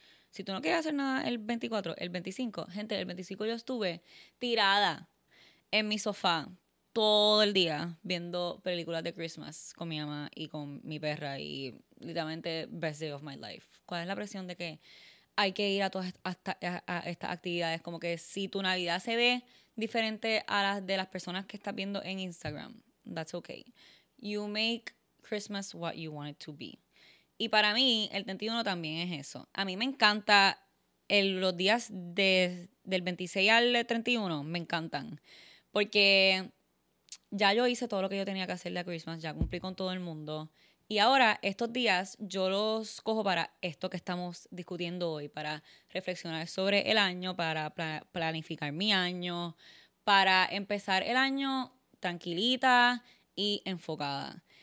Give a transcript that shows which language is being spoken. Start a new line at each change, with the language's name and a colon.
Spanish: Si tú no quieres hacer nada el 24, el 25. Gente, el 25 yo estuve tirada en mi sofá todo el día viendo películas de Christmas con mi mamá y con mi perra y literalmente
English: best day of my life.
Spanish: ¿Cuál es la presión de que hay que ir a todas estas actividades? Como que si tu Navidad se ve... diferente a las de las personas que estás viendo en Instagram.
English: That's okay. You make Christmas what you want it to be.
Spanish: Y para mí, el 31 también es eso. A mí me encanta los días del 26 al 31, me encantan. Porque ya yo hice todo lo que yo tenía que hacer de Christmas, ya cumplí con todo el mundo. Y ahora, estos días, yo los cojo para esto que estamos discutiendo hoy, para reflexionar sobre el año, para planificar mi año, para empezar el año tranquilita y enfocada.